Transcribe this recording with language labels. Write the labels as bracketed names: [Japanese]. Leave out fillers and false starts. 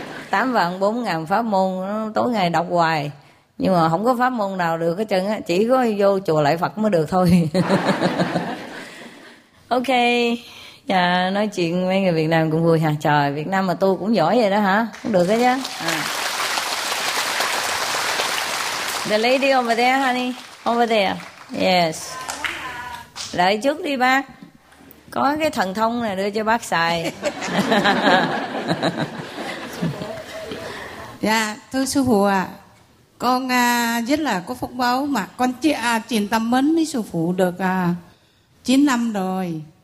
[Vietnamese] 84,000 pháp môn nó tối ngày đọc hoài, nhưng mà không có pháp môn nào được hết trơn á, chỉ có vô chùa lại Phật mới được thôi. Ok, dạ, nói chuyện mấy người Việt Nam cũng vui ha. Trời, Việt Nam mà tu cũng giỏi vậy đó hả? Cũng được đó chứ. [English] The lady over there honey, over there. Yes. [Vietnamese] Đợi chút đi bác, có cái thần thông này đưa cho bác xài. Dạ, thưa sư phụ ạ, con rất là có phúc báo mà con chuyển tâm mến với sư phụ được 9 năm rồi.